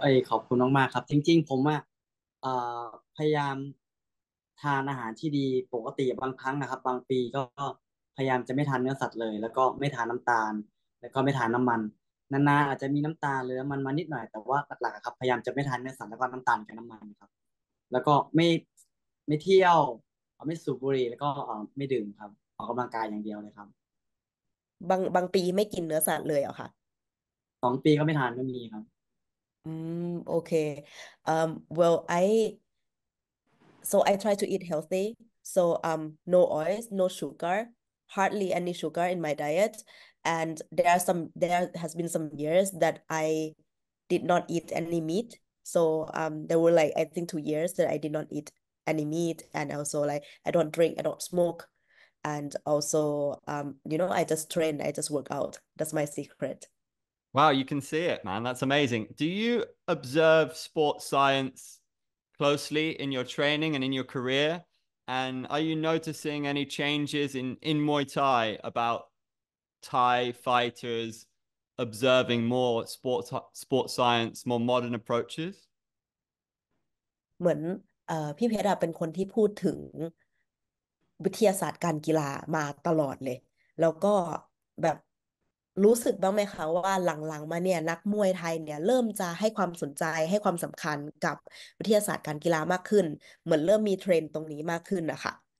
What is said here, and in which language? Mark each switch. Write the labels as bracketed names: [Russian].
[Thai] ขอบคุณมากๆครับจริงๆผมอ่ะพยายามทานอาหารที่ดีปกติบางครั้งนะครับบางปีก็พยายามจะไม่ทานเนื้อสัตว์เลยแล้วก็ไม่ทานน้ําตาลแล้วก็ไม่ทานน้ํามันนานๆอาจจะมีน้ําตาลหรือน้ำมันมานิดหน่อยแต่ว่าหลักๆครับพยายามจะไม่ทานเนื้อสัตว์แล้วก็น้ําตาลกับน้ํามันครับแล้วก็ไม่เที่ยวไม่สูบบุหรี่แล้วก็ไม่ดื่มครับออกกําลังกายอย่างเดียวเลยครับ บางปีไม่กินเนื้อสัตว์เลยเหรอคะ 2 ปีก็ไม่ทานก็มีครับ [English] โอเค well I try to eat healthy so no oils no sugar hardly any sugar in my diet and there has been some years that I did not eat any meat so there were like I think 2 years that I did not eat any meat and also like I don't drink I don't smoke And also, you know, I just train, I just work out. That's my secret. Wow, you can see it, man. That's amazing. Do you observe sports science closely in your training and in your career? And are you noticing any changes in Muay Thai about Thai fighters observing more sports science, more modern approaches? [Thai] เหมือนพี่เพชรเป็นคนที่พูดถึงวิทยาศาสตร์การกีฬามาตลอดเลยแล้วก็แบบรู้สึกบ้างไหมคะว่าหลังๆมาเนี่ยนักมวยไทยเนี่ยเริ่มจะให้ความสนใจให้ความสำคัญกับวิทยาศาสตร์การกีฬามากขึ้นเหมือนเริ่มมีเทรนด์ตรงนี้มากขึ้นนะคะ